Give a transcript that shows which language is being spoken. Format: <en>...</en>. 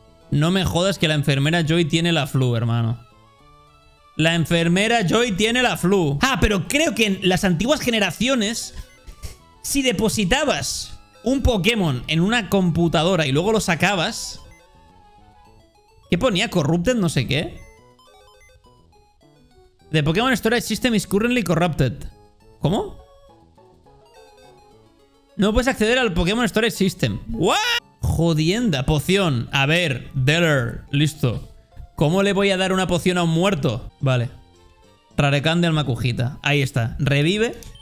<es>No me jodas que la enfermera Joy tiene la flu, hermano. La enfermera Joy tiene la flu. Ah, pero creo que en las antiguas generaciones, si depositabas un Pokémon en una computadora y luego lo sacabas... ¿Qué ponía? Corrupted, no sé qué.</es> <en>The Pokémon Storage System is currently corrupted.</en> <es>¿Cómo? No puedes acceder al Pokémon Storage System. ¿What? Jodienda, poción. A ver, Deller, listo. ¿Cómo le voy a dar una poción a un muerto? Vale. Rarecan de Almacujita. Ahí está. Revive.</es>